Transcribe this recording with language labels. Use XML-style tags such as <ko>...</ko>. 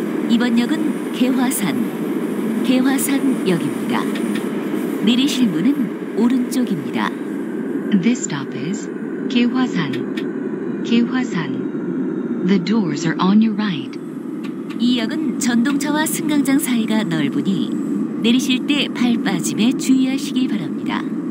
<ko>이번 역은 개화산역입니다. 내리실 문은 오른쪽입니다.</ko> <en>This stop is 개화산.</en> <ko>개화산.</ko> <en>The doors are on your right.</en> <ko>이 역은 전동차와 승강장 사이가 넓으니 내리실 때 발 빠짐에 주의하시기 바랍니다.</ko>